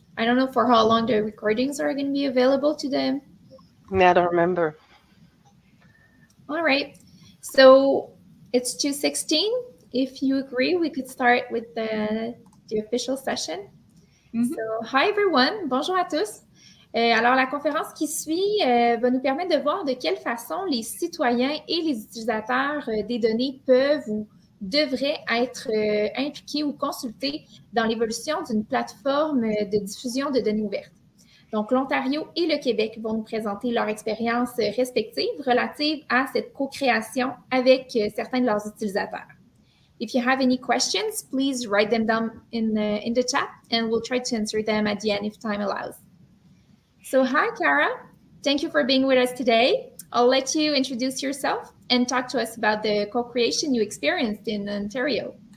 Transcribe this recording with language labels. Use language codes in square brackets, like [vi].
[en] I don't know for how long the recordings are going to be available to them. I don't remember. All right. So it's 2:16. If you agree, we could start with the official session. Mm-hmm. So hi, everyone. [fr] Bonjour à tous. Alors, la conférence qui suit va nous permettre de voir de quelle façon les citoyens et les utilisateurs des données peuvent ou devraient être impliqués ou consultés dans l'évolution d'une plateforme de diffusion de données ouvertes. Donc, l'Ontario et le Québec vont nous présenter leur expérience respective relative à cette co-création avec certains de leurs utilisateurs. [en] If you have any questions, please write them down in the chat and we'll try to answer them at the end if time allows. So, hi, Cara. Thank you for being with us today. I'll let you introduce yourself and talk to us about the co-creation you experienced in Ontario.